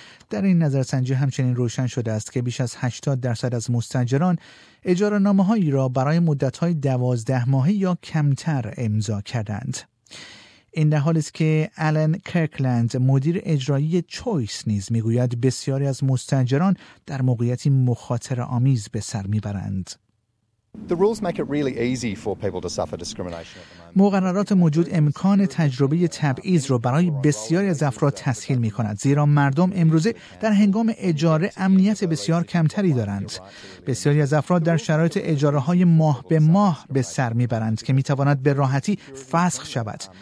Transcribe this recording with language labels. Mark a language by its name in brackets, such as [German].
[Persian] در این نظرسنجی همچنین روشن شده است که بیش از 80% از مستأجران اجاره نامه هایی را برای مدت های 12 ماهه یا کمتر امضا کردند. این در حالی است که آلن کرکلند، مدیر اجرایی چویس، نیز میگوید بسیاری از مستأجران در موقعیتی مخاطره آمیز به سر میبرند. [English] The rules make it really easy for people to suffer discrimination. [Persian] مقررات موجود امکان تجربه تبعیض را برای بسیاری از افراد تسهیل می کند، زیرا مردم امروزه در هنگام اجاره امنیت بسیار کمتری دارند. بسیاری از افراد در شرایط اجاره های ماه به ماه به سر می برند که می تواند به راحتی فسخ شود.